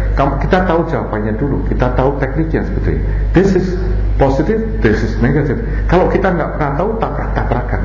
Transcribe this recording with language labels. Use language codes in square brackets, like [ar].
[id] Kita tahu jawabannya dulu, kita tahu tekniknya sebetulnya. [en] This is positive, this is negative. [id] Kalau kita nggak pernah tahu, tabrakan.